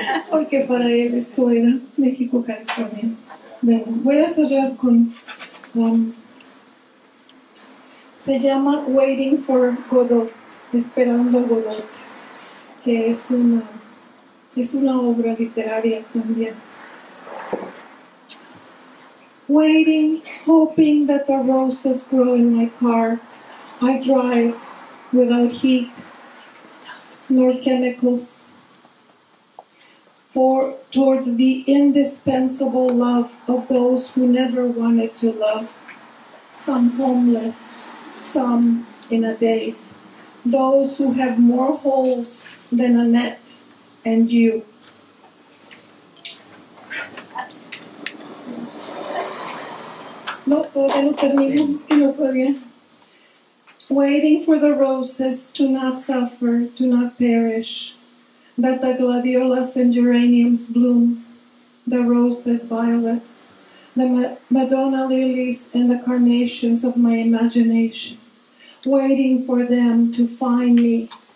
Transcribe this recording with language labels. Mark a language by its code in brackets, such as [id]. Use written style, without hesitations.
[es] Porque para él esto era México, California. Bueno, voy a cerrar con... se llama Waiting for Godot, Esperando a Godot, que es una obra literaria también. [en] Waiting, hoping that the roses grow in my car, I drive without heat nor chemicals, for towards the indispensable love of those who never wanted to love, some homeless, some in a daze, those who have more holes than a net, and you. [es] No, todavía no termino, es que no podía. [en] Waiting for the roses to not suffer, to not perish, that the gladiolus and geraniums bloom, the roses, violets, the Madonna lilies and the carnations of my imagination, waiting for them to find me.